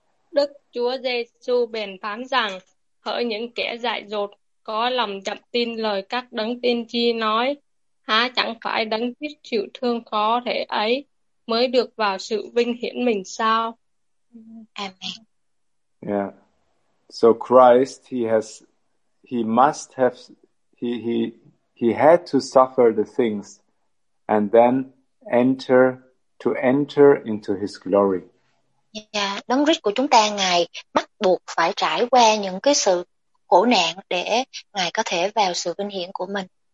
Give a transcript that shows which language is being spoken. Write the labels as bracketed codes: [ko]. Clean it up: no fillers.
[vi] Đức Chúa Giêsu bèn phán rằng: Hỡi những kẻ dại dột, có lòng chậm tin lời các đấng tiên tri nói, há chẳng phải đấng biết chịu thương khó thể ấy mới được vào sự vinh hiển mình sao? Amen. Yeah. [en] So Christ, he had to suffer the things and then enter into his glory. [vi] Yeah, đấng Christ của chúng ta ngài bắt buộc phải trải qua những cái sự khổ nạn để ngài có thể vào sự vinh hiển của mình.